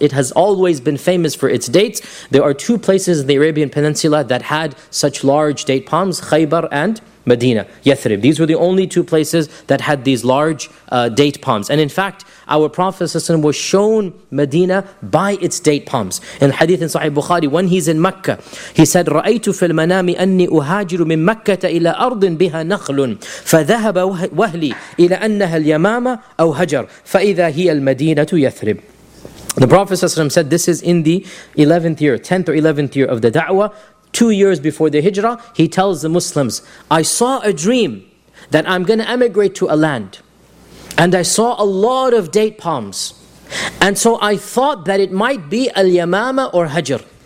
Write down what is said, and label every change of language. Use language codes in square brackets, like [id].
[en] It has always been famous for its dates. There are two places in the Arabian Peninsula that had such large date palms, Khaybar and Medina, Yathrib. These were the only two places that had these large date palms. And in fact, our Prophet ﷺ was shown Medina by its date palms. In Hadith in Sahih Bukhari, when he's in Mecca, he said, [ar] رَأَيْتُ فِي الْمَنَامِ أَنِّي أُهَاجِرُ مِن مَكَّةَ إِلَىٰ أَرْضٍ بِهَا نَخْلٌ فَذَهَبَ وَهْلِي إِلَىٰ أَنَّهَا الْيَمَامَ أَوْ هَجَرْ فَإِذَا هِيَ الْمَدِينَةُ يَثْرِبْ. [en] The Prophet ﷺ said, this is in the 11th year, 10th or 11th year of the da'wah, 2 years before the hijrah, he tells the Muslims, I saw a dream that I'm going to emigrate to a land. And I saw a lot of date palms. And so I thought that it might be Al-Yamama or Hajar.